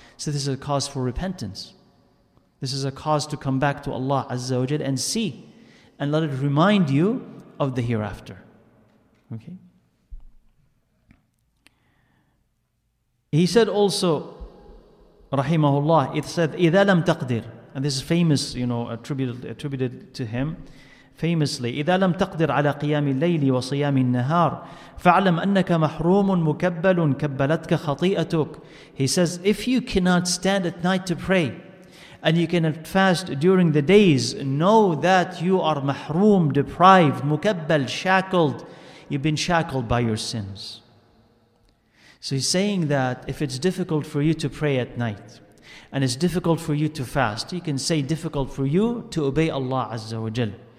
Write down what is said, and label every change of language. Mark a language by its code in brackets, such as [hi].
[en] So this is a cause for repentance. This is a cause to come back to Allah Azza wa Jal and see, and let it remind you of the hereafter. Okay. He said also, Rahimahullah, it said, [ar] إِذَا لَمْ تَقْدِرْ. [en] And this is famous, you know, attributed to him. [ar] Famously, إِذَا لَمْ تَقْدِرْ عَلَى قِيَامِ اللَّيْلِ وَصِيَامِ النَّهَارِ فَعْلَمْ أَنَّكَ مَحْرُومٌ مُكَبَّلٌ كَبَّلَتْكَ خَطِيئَتُكَ. [en] He says, if you cannot stand at night to pray, and you cannot fast during the days, know that you are mahroom, deprived, mukabbal, shackled. You've been shackled by your sins. So he's saying that if it's difficult for you to pray at night, and it's difficult for you to fast, you can say difficult for you to obey Allah Azza wa Jal.